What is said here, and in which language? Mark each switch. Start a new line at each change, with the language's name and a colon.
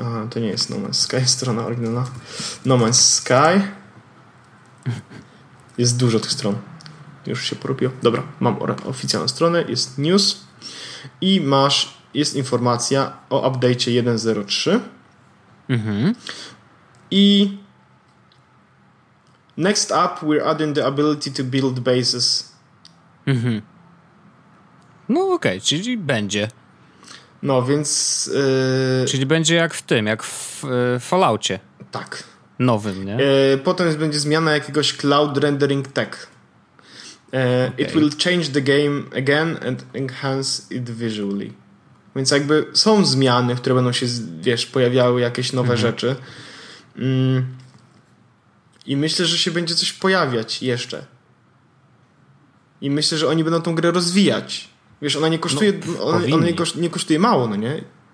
Polish: To nie jest No Man's Sky, strona oryginalna. No Man's Sky. Jest dużo tych stron. Już się porupiło. Dobra, mam oficjalną stronę, jest news. I jest informacja o update'cie 1.0.3.
English: I next up, we're adding the ability to build bases.
Polish: No okej, czyli będzie. No więc... Czyli będzie jak w tym, jak w Falloutie. Tak. Nowym, nie? Potem będzie zmiana jakiegoś
English: cloud rendering tech. It will change the game again and enhance it visually.
Polish: Więc jakby są zmiany, które będą się, wiesz, pojawiały jakieś nowe rzeczy. I myślę, że się będzie coś pojawiać jeszcze. I myślę, że oni będą tą grę rozwijać. Wiesz, ona nie kosztuje, nie kosztuje mało, no nie?